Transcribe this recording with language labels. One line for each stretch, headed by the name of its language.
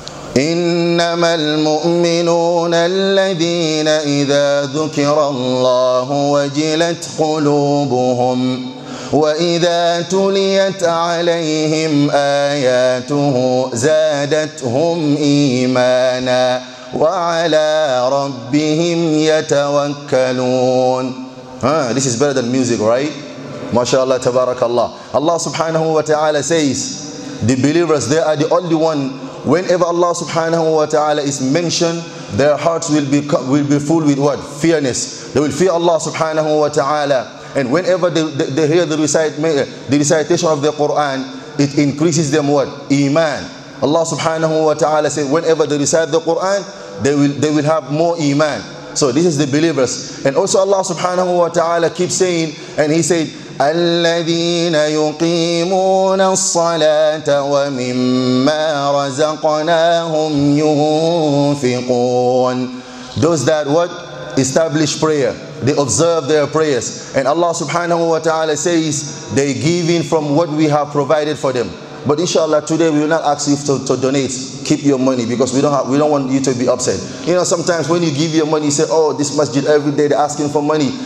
Arabic: إنما المؤمنون الذين إذا ذكر الله وجلت قلوبهم وإذا تليت عليهم آياته زادتهم إيمانا وعلى ربهم يتوكلون.
English: This is better than music, right? MashaAllah, tabarakAllah. Allah subhanahu wa ta'ala says, the believers, they are the only one. Whenever Allah subhanahu wa ta'ala is mentioned, their hearts will be full with what? Fearness. They will fear Allah subhanahu wa ta'ala. And whenever they hear the recitation of the Quran, it increases them what? Iman. Allah subhanahu wa ta'ala said, whenever they recite the Quran, they will have more iman. So this is the believers. And also Allah subhanahu wa ta'ala keeps saying, and he said,
Arabic: الذين يقيمون الصلاة ومما رزقناهم ينفقون.
English: Those that what? Establish prayer. They observe their prayers. And Allah subhanahu wa ta'ala says, they give in from what we have provided for them. But inshallah, today we will not ask you to donate. Keep your money, because we don't want you to be upset. You know, sometimes when you give your money, you say, oh, this masjid every day, they're asking for money.